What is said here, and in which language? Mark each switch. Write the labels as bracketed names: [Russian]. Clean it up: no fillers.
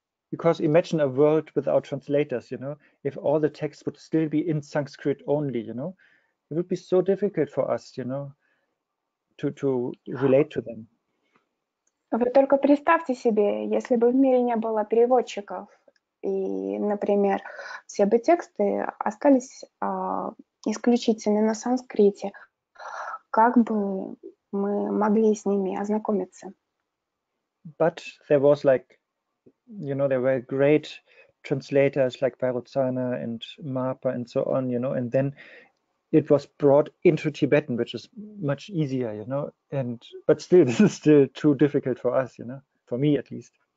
[English] Because imagine a world without translators, you know, if all the texts would still be in Sanskrit only, you know, it would be so difficult for us, you know, to relate to them. [Russian] Вы только представьте себе, если бы в мире не было переводчиков, и, например, все бы тексты остались исключительно на санскрите, как бы мы могли с ними ознакомиться? [English] But there was like, you know, there were great translators like Vairocana and Marpa and so on, you know, and then it was brought into Tibetan, which is much easier, you know, and but still this is still too difficult for us, you know, for me at least.